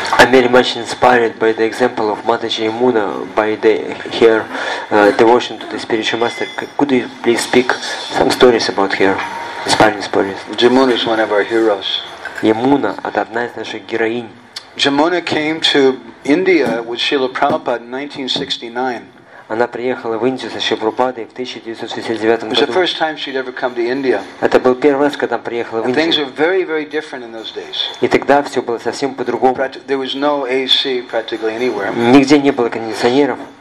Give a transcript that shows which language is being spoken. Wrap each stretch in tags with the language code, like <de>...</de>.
<en>Very much inspired by the example of Mataji Yamuna, by the her devotion to the spiritual master. Could you please speak some stories about her? Спальню спорить. Jamuna is one of our heroes.</en> <ru>Ямуна – это одна из наших героинь.</ru> <en>Jamuna came to India with Srila Prabhupada in 1969.</en> <ru>Она приехала в Индию со Шрилой Прабхупадой в 1969 году. Это был первый раз, когда она приехала в Индию. И тогда все было совсем по-другому. Нигде не было кондиционеров.</ru>